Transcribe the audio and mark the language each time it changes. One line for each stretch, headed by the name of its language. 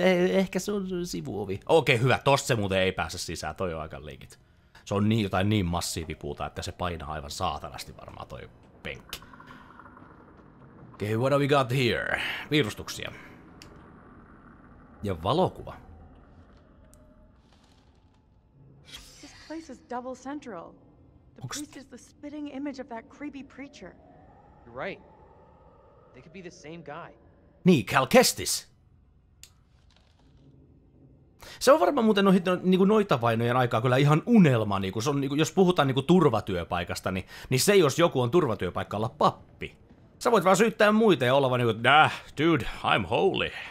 Finnish: Ehkä se on sivuovi. Okei, hyvä. Tosta se muuten ei pääse sisään. Toi on aika leikit. Se on niin, jotain niin massiivipuuta, että se painaa aivan saatanasti varmaan toi penkki.
English: Okei, okay, what have we got here?
Finnish: Piirustuksia. Ja valokuva.
English: This place is double central. The priest is the spitting image of that creepy preacher. You're right. They could be the same guy.
Finnish: Niin, Cal Kestis. Se on varmaan muuten noita vainojen aikaa kyllä ihan unelma. Se on, jos puhutaan turvatyöpaikasta, niin se, jos joku on turvatyöpaikka, olla pappi. Sä voit vaan syyttää muita ja olla vaan niinku,
English: nah, dude, I'm holy.